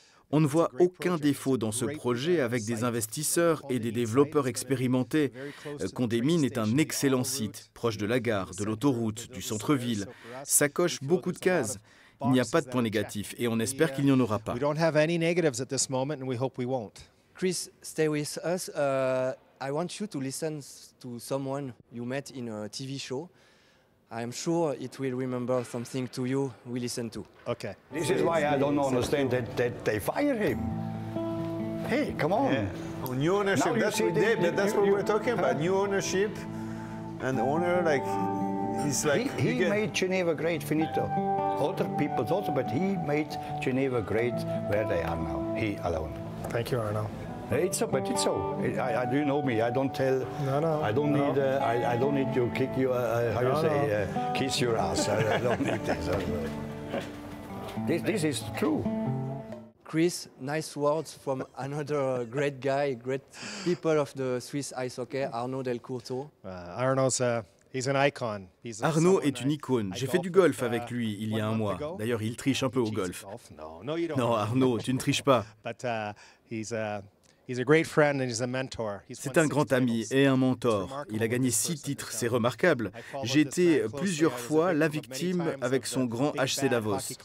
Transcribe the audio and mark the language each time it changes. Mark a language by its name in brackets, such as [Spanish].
[French] On ne voit aucun défaut dans ce projet avec des investisseurs et des développeurs expérimentés. Condé Mines est un excellent site, proche de la gare, de l'autoroute, du centre-ville. Ça coche beaucoup de cases. Il n'y a pas de point négatif et on espère qu'il n'y en aura pas. [English] Chris, stay with us. I want you to listen to someone you met in a TV show. I'm sure it will remember something to you. We listen to. Okay. This is why I don't understand that they fire him. Hey, come on. Yeah. New ownership. That's what we're talking about. New ownership and owner like he's like he made Geneva great, finito. Other people also, but he made Geneva great where they are now. He alone. Thank you, Arnaud. It's so. I do know me. I don't tell. No. I don't need to kick you. Kiss your ass. I don't need this. This is true. Chris, nice words from another great guy, great people of the Swiss ice hockey, Arnaud Del Curto. He's an icon. [French] Arnaud est une icône. J'ai fait du golf avec lui il y a un mois. D'ailleurs, il triche un peu au golf. Non, Arnaud, tu ne triches pas. C'est un grand ami et un mentor. Il a gagné 6 titres, c'est remarquable. J'ai été plusieurs fois la victime avec son grand HC Davos.